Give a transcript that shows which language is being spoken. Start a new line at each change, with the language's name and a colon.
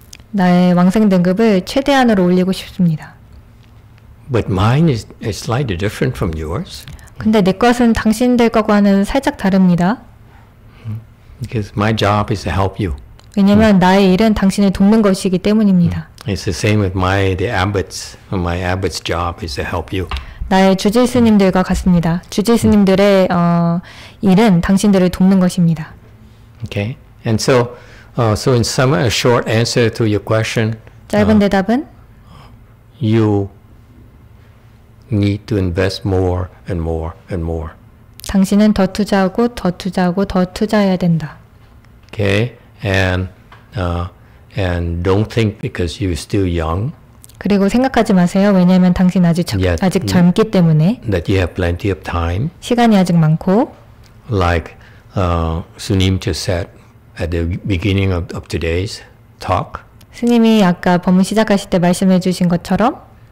Korean: 나의 왕생 등급을 최대한으로 올리고 싶습니다.
English: But mine is slightly different from yours.
Korean: 근데 내 것은 당신들 것과는 살짝 다릅니다.
English: Because my job is to help you.
Korean: 왜냐면 나의 일은 당신을 돕는 것이기 때문입니다.
English: It's the same with my abbot's job is to help you.
Korean: 나의 주지 스님들과 같습니다. 주지 스님들의 일은 당신들을 돕는 것입니다.
English: Okay. And so in sum, a short answer to your question.
Korean: 짧은 대답은
English: you need to invest more and more and more.
Korean: 당신은 더 투자하고 더 투자하고 더 투자해야 된다.
English: Okay. And don't think because you're still young.
Korean: 그리고 생각하지 마세요. 왜냐하면 당신 아직 젊기 때문에
English: that you have plenty of time.
Korean: 시간이 아직 많고
English: like Sunim just said at the beginning of today's talk.
Korean: 스님이 아까 법문 시작하실 때 말씀해 주신 것처럼